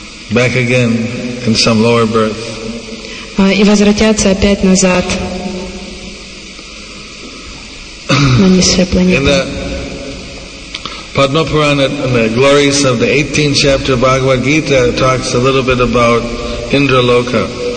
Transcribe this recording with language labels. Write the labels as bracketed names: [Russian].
[English] Back again in some lower birth. [Russian] И возвратятся опять назад. [English] In the Padma Purana, in the glories of the 18th chapter of Bhagavad Gita, it talks a little bit about Indraloka.